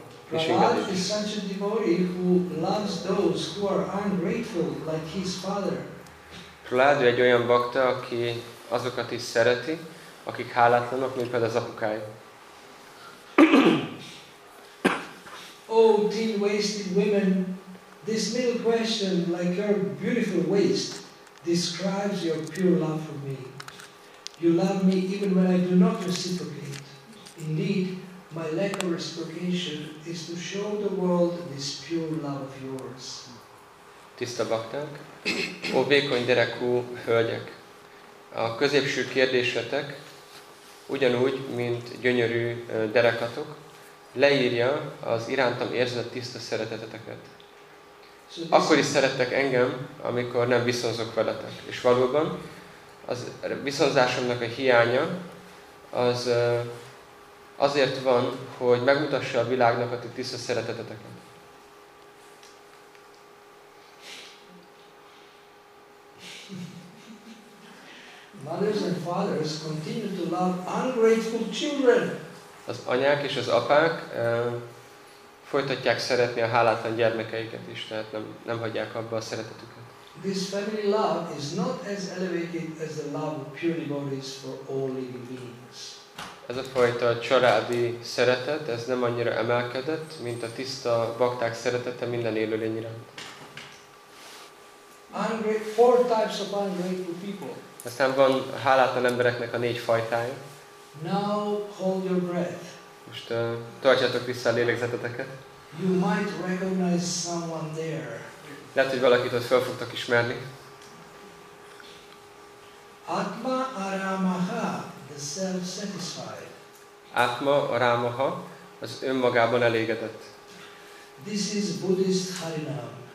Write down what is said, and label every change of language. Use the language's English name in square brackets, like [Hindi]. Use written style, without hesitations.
[English] Prahlad is such a devotee who loves those who are ungrateful, like his father. [Hungarian] Prahlad egy olyan bakta, aki azokat is szereti, akik hálátlanok, mint például az apukája. [English] Oh, thin-waisted women, this little question, like your beautiful waist, describes your pure love for me. You love me even when I do not reciprocate. Indeed, my lack of reciprocation is to show the world this pure love of yours. [Hungarian] Tiszta bakták, ó vékony derekú hölgyek! A középső kérdésetek, ugyanúgy, mint gyönyörű derekatok, leírja az irántam érzett tiszta szereteteteket. Akkor is szerettek engem, amikor nem viszonzok veletek. És valóban, az viszonzásomnak a hiánya, az azért van, hogy megmutassa a világnak a tiszta szereteteteket. [English] Mothers and fathers continue to love ungrateful children. [Hungarian] Az anyák és az apák folytatják szeretni a hálátlan gyermekeiket is, tehát nem hagyják abba a szeretetüket. [English] This family love is not as elevated as the love of pure devotees for all living beings. [Hungarian] Ez a fajta családi szeretet, ez nem annyira emelkedett, mint a tiszta bakták szeretete minden élőlény iránt. [English] Four types of ungrateful people. [Hungarian] Aztán van hálátlan embereknek a négy fajtája. [English] Now hold your breath. [Hungarian] Most tartjátok vissza a lélegzeteteket. [English] You might recognize someone there. [Hungarian] Lehet, hogy valakit ott fel fogtok ismerni. [English] Atma aramaha, the self-satisfied. [Hungarian] Atma aramaha, az önmagában elégedett. [English] This is Buddhist Harinam.